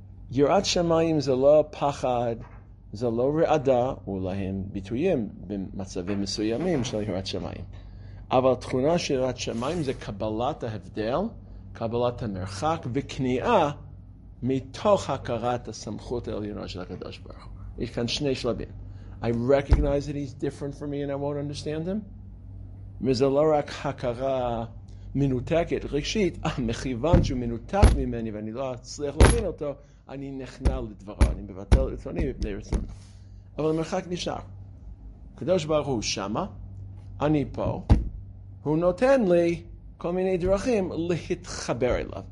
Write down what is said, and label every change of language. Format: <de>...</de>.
<he>יראת שמיים זה לא פחד, זה לא רעדה, אולי הם ביטויים במצבים מסוימים של יראת שמיים. אבל תכונה של יראת שמיים זה קבלת ההבדל, קבלת המרחק וכניעה מתוך הכרת הסמכות העליונה של הקדוש ברוך הוא. יש כאן שני שלבים.</he> <en>I recognize that he's different from me and I won't understand him.</en> <he>וזה לא רק הכרה מנותקת, רגשית, מכיוון שהוא מנותק ממני ואני לא אצליח להבין אותו, אני נכנע לדברו, אני מבטל רצוני מפני רצוני. אבל המרחק נשאר. הקדוש ברוך הוא שמה, אני פה, הוא נותן לי כל מיני דרכים להתחבר אליו.</he>